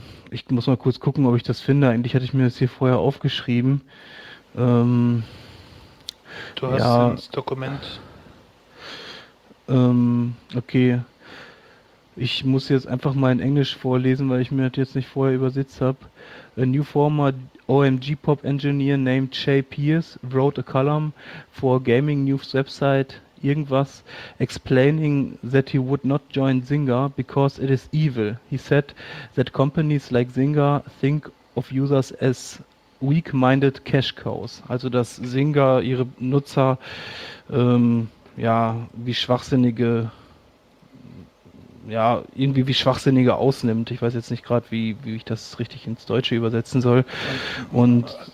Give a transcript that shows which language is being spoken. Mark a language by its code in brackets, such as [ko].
[de] Ich muss mal kurz gucken, ob ich das finde. Eigentlich hatte ich mir das hier vorher aufgeschrieben. Du hast ins Dokument. Okay. Ich muss jetzt einfach mal in Englisch vorlesen, weil ich mir das jetzt nicht vorher übersetzt habe. [en] A new former OMG Pop Engineer named Jay Pierce wrote a column for Gaming News Website, [de] irgendwas, [en] explaining that he would not join Zynga because it is evil. He said that companies like Zynga think of users as weak-minded cash cows. [de] Also, dass Zynga ihre Nutzer, ja, wie schwachsinnige, ja, irgendwie wie Schwachsinnige ausnimmt. Ich weiß jetzt nicht gerade, wie ich das richtig ins Deutsche übersetzen soll. Und,